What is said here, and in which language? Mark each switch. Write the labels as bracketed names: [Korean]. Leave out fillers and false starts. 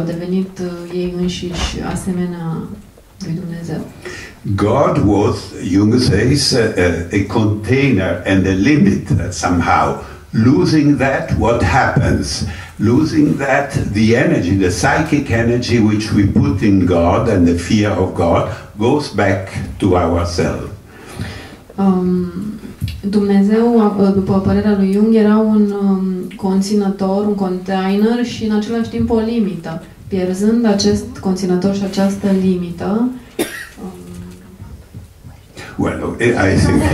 [Romanian] Au devenit ei înșiși asemenea lui Dumnezeu. [English] God was, Jung says, a container and a limit somehow. Losing that, what happens? Losing that, the energy, the psychic energy which we put in God and the fear of God goes back to ourselves. [Romanian] Dumnezeu, după părerea lui Jung, era un conținător, un container și în același timp o limită. Pierzând acest conținător și această limită, [English] well, I think